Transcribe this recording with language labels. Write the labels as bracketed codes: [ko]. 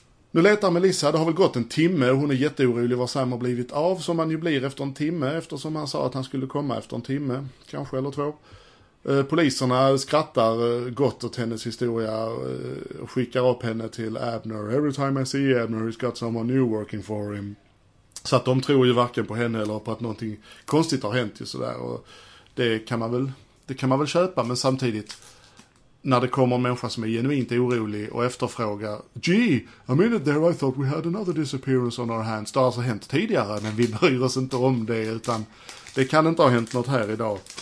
[sv] Nu letar Melissa, det har väl gått en timme och hon är jätteorolig vad Sam har blivit av, som man ju blir efter en timme, eftersom han sa att han skulle komma efter en timme, kanske eller två. Poliserna skrattar gott åt hennes historia och skickar upp henne till Abner. [en] Every time I see Abner, he's got someone new working for him. [sv] Så att de tror ju varken på henne eller på att någonting konstigt har hänt. Och sådär. Och det kan man väl köpa. Men samtidigt, när det kommer en människa som är genuint orolig och efterfrågar, [en] gee, a minute there I thought we had another disappearance on our hands. [sv] Det har alltså hänt tidigare, men vi bryr oss inte om det, utan det kan inte ha hänt något här idag.